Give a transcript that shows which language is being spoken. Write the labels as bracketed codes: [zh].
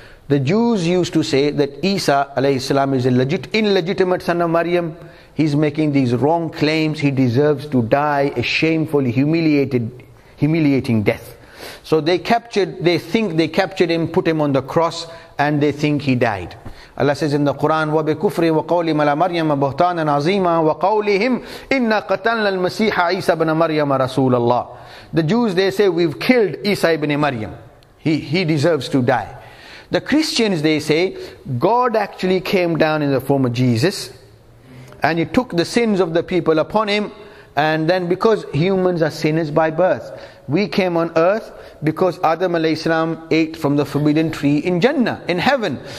[en] The Jews used to say that Isa alayhi salam is a illegitimate son of Maryam. He's making these wrong claims. He deserves to die a shamefully humiliating death. So they captured him, put him on the cross, and they think he died. Allah says in the Quran, [ar] وَبِكُفْرِ وَقَوْلِ مَلَى مَرْيَمَ بُهْتَانًا عَظِيمًا وَقَوْلِهِمْ إِنَّا قَتَلْنَا الْمَسِيحَ عِيسَى بْنَ مَرْيَمَ رَسُولَ اللَّهِ. [en] The Jews, they say, we've killed Isa ibn Maryam. He deserves to die. The Christians, they say, God actually came down in the form of Jesus, and he took the sins of the people upon him. And then, because humans are sinners by birth, we came on earth because Adam alayhi salam ate from the forbidden tree in Jannah, in heaven.